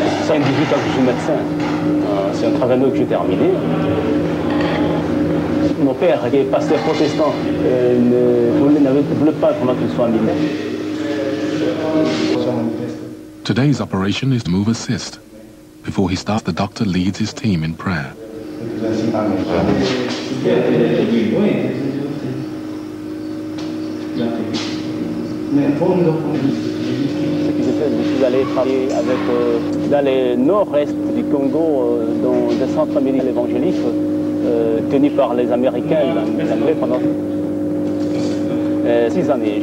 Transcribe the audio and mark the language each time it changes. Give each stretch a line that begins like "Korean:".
French: Je suis médecin. C'est un travail que j'ai terminé. mon père, qui est pasteur protestant, ne voulait pas vraiment qu'il soit militaire.
English: Today's operation is to move assist. Before he starts, the doctor leads his team in prayer.
French: Ce que je fais, je suis allé travailler avec, dans le nord-est du Congo, dans le centre médical évangélique, tenu par les Américains et les Anglais pendant 6 années.